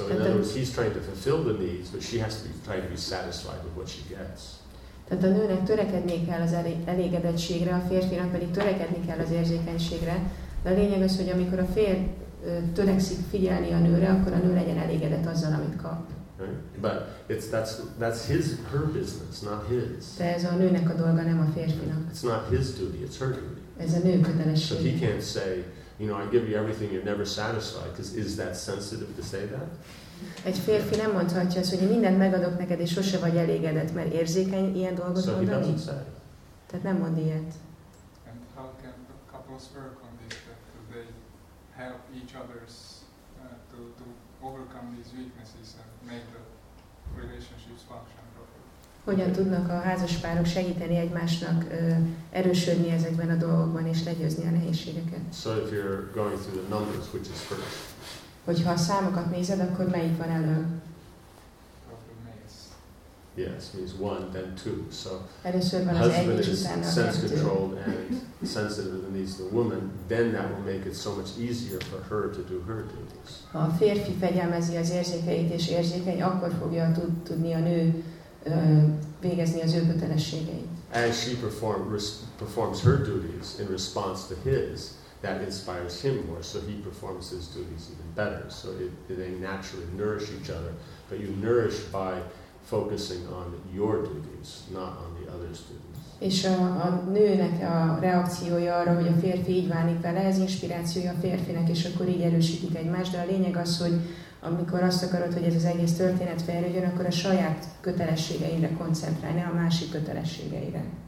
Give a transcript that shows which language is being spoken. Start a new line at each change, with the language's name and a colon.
English: So in other words, he's trying to fulfill the needs, but she has to be trying to be satisfied with what she gets.
Hungarian: Tehát a nőnek törekedni kell az elégedettségre, a férfinak pedig törekedni kell az érzékenységre. De a lényeg az, hogy amikor a férj törekszik figyelni a nőre, akkor a nő legyen elégedett azzal, amit kap.
English: Right? But it's that's his her business, not his.
Hungarian: De ez a nőnek a dolga, nem a férfinak.
English: It's not his duty, it's her duty.
Hungarian: Ez a nő kötelessége.
English: So he can't say, you know, I give you everything, you're never satisfied, because is that sensitive to say that?
Hungarian: Egy férfi nem mondhatja azt, hogy mindent megadok neked, és sose vagy elégedett, mert érzékeny ilyen dolgot
English: so
Hungarian: mondani.
English: So he doesn't say.
Hungarian: Tehát nem mond ilyet.
English: And how can couples work on this, that they help each other's to overcome these weaknesses and make the relationships function properly?
Hungarian: Hogyan tudnak a házaspárok segíteni egymásnak erősödni ezekben a dolgokban és legyőzni a nehézségeket?
English: So if you're going through the numbers, which is first?
Hungarian: Hogyha a számokat nézed, akkor melyik van elő?
English: Yes, means one, then two. So
Hungarian: először van
English: husband
Hungarian: az egy,
English: is sense-controlled and sensitive to the needs of the woman, then that will make it so much easier for her to do her duties.
Hungarian: Ha a férfi fegyelmezi az érzékeit és érzékeny, akkor fogja tudni a nő végezni az ő kötelességeit.
English: As she performs her duties in response to his, that inspires him more, so he performs his duties even better. So they naturally nourish each other, but you nourish by focusing on your duties, not on the other's duties.
Hungarian: És a nőnek a reakciója arra, hogy a férfi így válik vele, ez inspirációja a férfinek, és akkor így erősítik egymást, de a lényeg az, hogy amikor azt akarod, hogy ez az egész történet fejlődjön, akkor a saját kötelességeire koncentrálj, ne a másik kötelességeire.